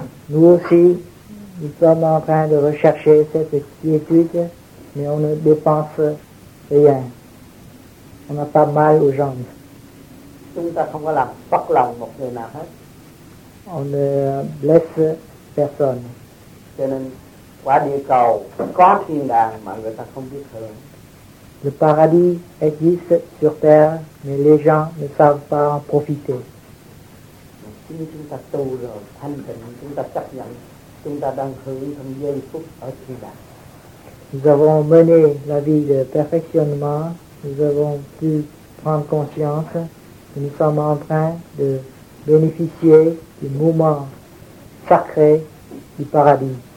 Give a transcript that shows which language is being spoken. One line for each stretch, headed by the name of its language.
French: Nous aussi, nous sommes en train de rechercher cette quiétude, mais on ne dépense rien. On n'a pas mal aux jambes.
Vietnamese: Chúng ta không có làm bất lòng một người nào hết.
French: On ne blesse personne.
Vietnamese: Cho nên quả địa cầu có thiên đàng mà người ta không biết hưởng.
French: Le paradis existe sur terre, mais les gens ne savent pas en profiter.
Vietnamese: Chính chúng ta tu rồi, thanh tịnh, chúng ta chấp nhận, chúng ta đang hưởng trong giây phút ở thiên đàng.
French: Nous avons mené la vie de perfectionnement, nous avons pu prendre conscience. Nous sommes en train de bénéficier du moment sacré du paradis.